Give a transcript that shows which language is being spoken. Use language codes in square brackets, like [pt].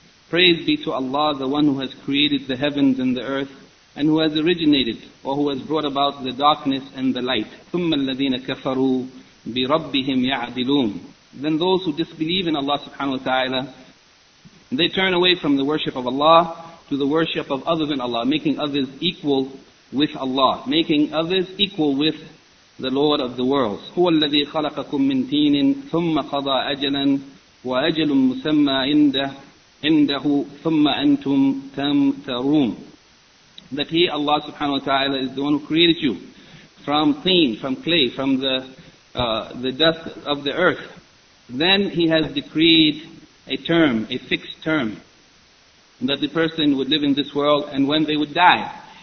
[en] Praise be to Allah, the one who has created the heavens and the earth, and who has originated, or who has brought about the darkness and the light. [ar] ثُمَّ الَّذِينَ كَفَرُوا بِرَبِّهِمْ يَعْدِلُونَ. [en] than those who disbelieve in Allah subhanahu wa ta'ala. They turn away from the worship of Allah to the worship of others in Allah, making others equal with Allah, making others equal with the Lord of the worlds. [ar] هو الذي خلقكم من تين ثم قضى أجلا وأجل مسمى عنده ثم أنتم تمترون. [en] That He, Allah subhanahu wa ta'ala, is the one who created you from teen, from clay, from the dust of the earth. Then He has decreed a term, a fixed term, that the person would live in this world and when they would die.